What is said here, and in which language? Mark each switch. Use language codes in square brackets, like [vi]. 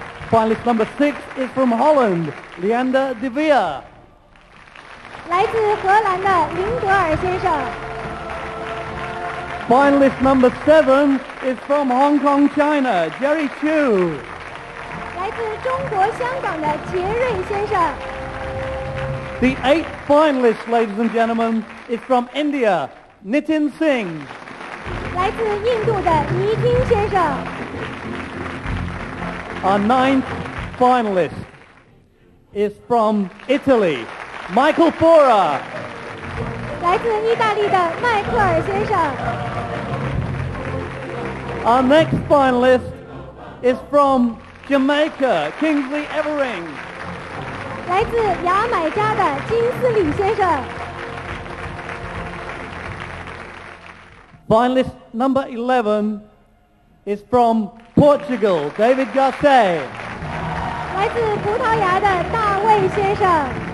[en] Finalist number six is from Holland, Leander de Vier. [zh] 来自荷兰的林德尔先生。 [en] Finalist number seven is from Hong Kong, China, Jerry Chu. [zh] 来自中国香港的杰瑞先生。 [en] The eighth finalist, ladies and gentlemen, is from India, Nitin Singh. [zh] 来自印度的尼汀先生。 [en] Our ninth finalist is from Italy, Michael Fora. [zh] 来自意大利的迈克尔先生。 [en] Our next finalist is from Jamaica, Kingsley Evering. [zh] 来自牙买加的金斯里先生。 [en] Finalist number 11 is from Portugal, David Garcia. [zh] 来自葡萄牙的大卫先生。